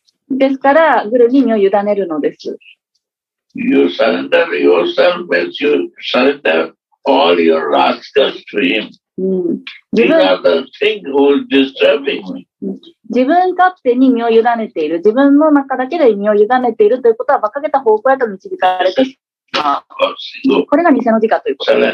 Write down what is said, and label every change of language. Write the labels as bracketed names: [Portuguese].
[Japanese] ですから、グルに身を委ねるのです。 [English] You surrender yourself as you surrender all your rascal dreams. These are the things who are disturbing me. [Japanese] 自分勝手に身を委ねている。自分の中だけで身を委ねているということは、馬鹿げた方向へと導かれてしまう。これが偽の自我ということ